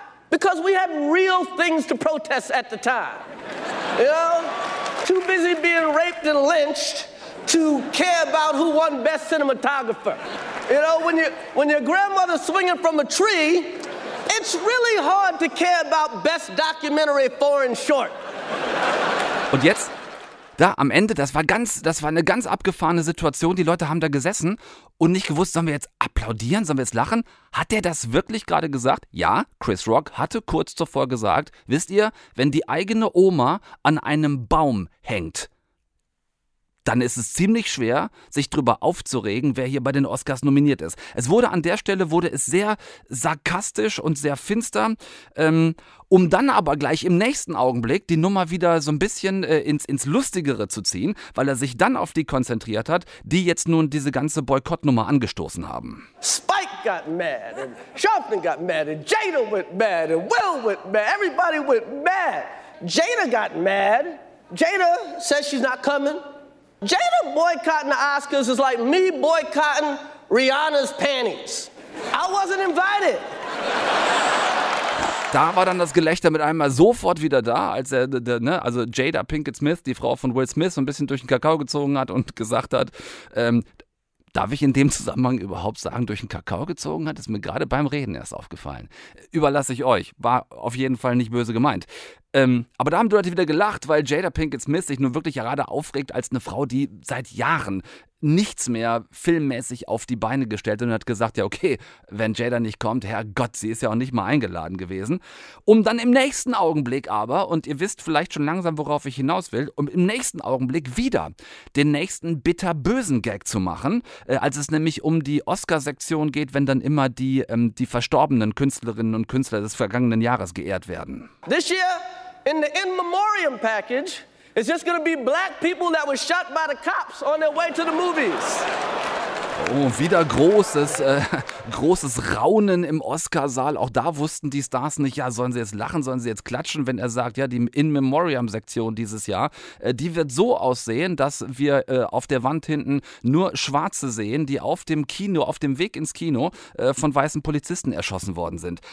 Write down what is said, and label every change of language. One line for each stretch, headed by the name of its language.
English: Because we had real things to protest at the time. You know? Too busy being raped and lynched to care about who won best cinematographer. You know, when your grandmother's swinging from a tree, it's really hard to care about best documentary foreign short.
German: Und jetzt, da am Ende, das war eine ganz abgefahrene Situation. Die Leute haben da gesessen und nicht gewusst, sollen wir jetzt applaudieren, sollen wir jetzt lachen? Hat der das wirklich gerade gesagt? Ja, Chris Rock hatte kurz zuvor gesagt, wisst ihr, wenn die eigene Oma an einem Baum hängt, dann ist es ziemlich schwer, sich drüber aufzuregen, wer hier bei den Oscars nominiert ist. Es wurde an der Stelle sehr sarkastisch und sehr finster, um dann aber gleich im nächsten Augenblick die Nummer wieder so ein bisschen ins Lustigere zu ziehen, weil er sich dann auf die konzentriert hat, die jetzt nun diese ganze Boykottnummer angestoßen haben.
English: Spike got mad, and Sharpton got mad, and Jada went mad, and Will went mad, everybody went mad. Jada got mad. Jada says she's not coming. Jada boycotting the Oscars is like me boycotting Rihanna's panties. I wasn't invited.
German: Da war dann das Gelächter mit einmal sofort wieder da, als er, ne, also Jada Pinkett Smith, die Frau von Will Smith, so ein bisschen durch den Kakao gezogen hat und gesagt hat, darf ich in dem Zusammenhang überhaupt sagen, durch den Kakao gezogen hat? Ist mir gerade beim Reden erst aufgefallen. Überlasse ich euch. War auf jeden Fall nicht böse gemeint. Aber da haben die Leute wieder gelacht, weil Jada Pinkett Smith sich nun wirklich gerade aufregt als eine Frau, die seit Jahren nichts mehr filmmäßig auf die Beine gestellt hat und hat gesagt, ja okay, wenn Jada nicht kommt, Herrgott, sie ist ja auch nicht mal eingeladen gewesen. Um dann im nächsten Augenblick aber, und ihr wisst vielleicht schon langsam, worauf ich hinaus will, um im nächsten Augenblick wieder den nächsten bitterbösen Gag zu machen, als es nämlich um die Oscar-Sektion geht, wenn dann immer die verstorbenen Künstlerinnen und Künstler des vergangenen Jahres geehrt werden.
English: This year in the In Memoriam Package, it's just gonna be black people that were shot by the cops on their way to the movies.
German: Oh, wieder großes Raunen im Oscarsaal. Auch da wussten die Stars nicht, ja, sollen sie jetzt lachen, sollen sie jetzt klatschen, wenn er sagt, ja, die In-Memoriam-Sektion dieses Jahr, die wird so aussehen, dass wir auf der Wand hinten nur Schwarze sehen, die auf dem Kino, auf dem Weg ins Kino von weißen Polizisten erschossen worden sind.